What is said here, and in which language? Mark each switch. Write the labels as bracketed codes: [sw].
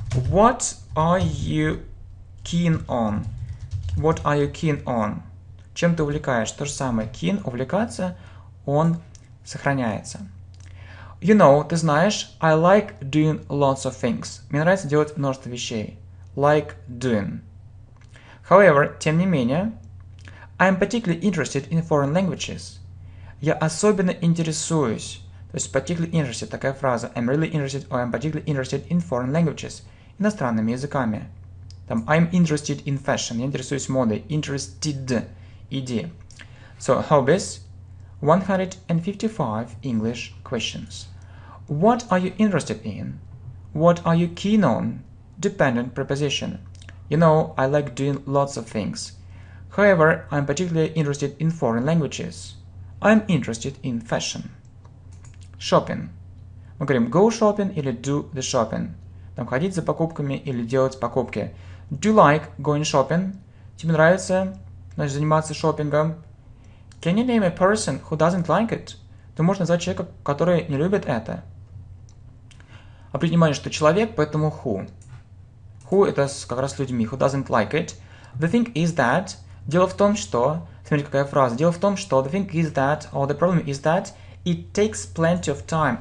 [en] What are you keen on? What are you keen on? [ru] Чем ты увлекаешься? То же самое. Keen – увлекаться, он сохраняется. [en] You know, [ru] ты знаешь, [en] I like doing lots of things. [ru] Мне нравится делать множество вещей. [en] Like doing. However, [ru] тем не менее, [en] I'm particularly interested in foreign languages. [ru] Я особенно интересуюсь. То есть [en] particularly interested [ru] – такая фраза. [en] I'm really interested or I'm particularly interested in foreign languages. [ru] Иностранными языками. Там [en] I'm interested in fashion. [ru] Я интересуюсь модой. Interested. Иди. [en] So, hobbies. 155 English questions. What are you interested in? What are you keen on? Dependent preposition. You know, I like doing lots of things. However, I'm particularly interested in foreign languages. I'm interested in fashion. Shopping. [ru] Мы говорим [en] go shopping [ru] или [en] do the shopping. [ru] Там ходить за покупками или делать покупки. [en] Do you like going shopping? [ru] Тебе нравится, значит, заниматься шопингом? [en] Can you name a person who doesn't like it? [ru] Ты можешь назвать человека, который не любит это. Обратите внимание, что человек, поэтому who. [en] Who – [ru] это как раз людьми. [en] Who doesn't like it? The thing is that... [ru] Дело в том, что... Смотрите, какая фраза. Дело в том, что [en] the thing is that... Or the problem is that... It takes plenty of time.